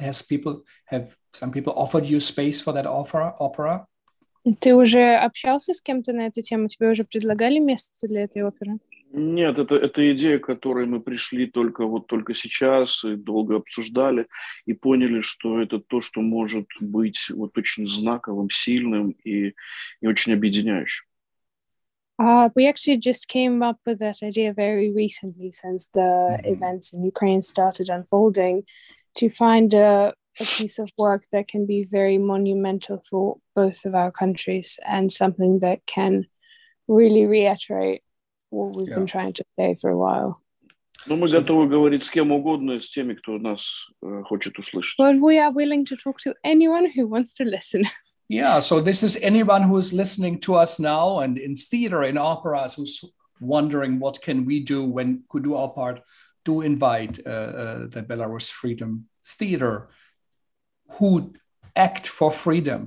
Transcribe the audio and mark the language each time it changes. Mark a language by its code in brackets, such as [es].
[en] Have some people offered you space for that opera? [ru] Ты уже общался с кем-то на эту тему? Тебе уже предлагали место для этой оперы? Нет, это идея, к которой мы пришли только сейчас и долго обсуждали и поняли, что это то, что может быть вот очень знаковым, сильным и очень объединяющим. [en] We actually just came up with that idea very recently, since the events in Ukraine started unfolding, to find a piece of work that can be very monumental for both of our countries and something that can really reiterate what we've been trying to say for a while. [ru] Но мы готовы говорить с кем угодно, с теми, кто нас хочет услышать. [en] But we are willing to talk to anyone who wants to listen. Yeah, so this is anyone who is listening to us now and in theater, in operas, who's wondering what can we do, when could do our part, to invite the Belarus Freedom Theater, who act for freedom.